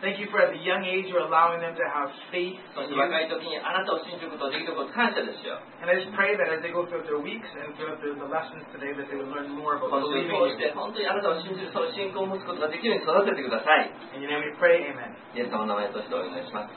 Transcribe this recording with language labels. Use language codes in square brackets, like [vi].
[en] Thank you for at the young age you're allowing them to have faith. [ja] そして若い時にあなたを信じることができることを感謝ですよ。 [en] And I just pray that as they go throughout their weeks and throughout the lessons today that they will learn more about believing. [ja] 本当にあなたを信じる、その信仰を持つことができるように育ててください。 [en] In your name we pray, amen. [ja] イエス様の名前としてお願いします。